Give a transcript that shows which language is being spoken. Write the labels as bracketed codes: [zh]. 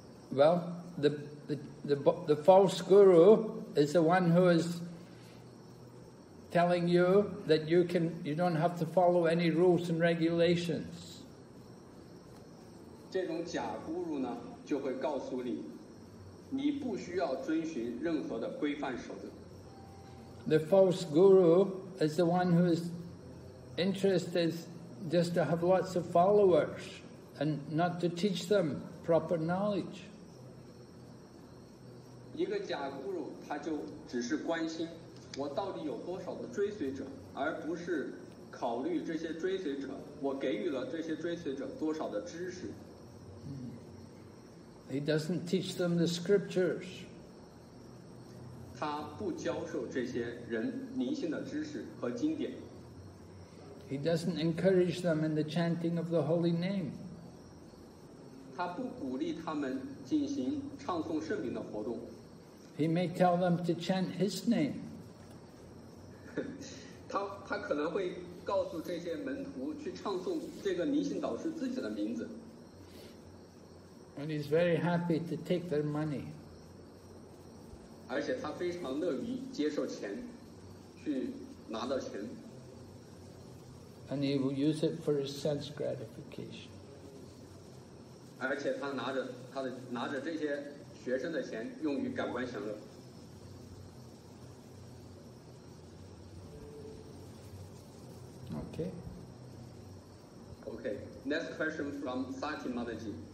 [en] Well, the false guru is the one who is telling you that you don't have to follow any rules and regulations. [zh] 这种假咕噜呢，就会告诉你，你不需要遵循任何的规范守则。 [en] The false guru is the one whose interest is just to have lots of followers and not to teach them proper knowledge. [zh] 一个假咕噜，他就只是关心我到底有多少的追随者，而不是考虑这些追随者，我给予了这些追随者多少的知识。 [en] He doesn't teach them the scriptures. [zh] 他不教授这些人灵性的知识和经典。 [en] He doesn't encourage them in the chanting of the holy name. [zh] 他不鼓励他们进行唱诵圣名的活动。 [en] He may tell them to chant his name. [zh] 他可能会告诉这些门徒去唱诵这个灵性导师自己的名字。 [en] And he's very happy to take their money. [zh] 而且他非常乐于接受钱，去拿到钱。 [en] And he will use it for his sense gratification. [zh] 而且他拿着这些学生的钱用于感官享乐。 [en] Okay. Next question from Sati Mataji.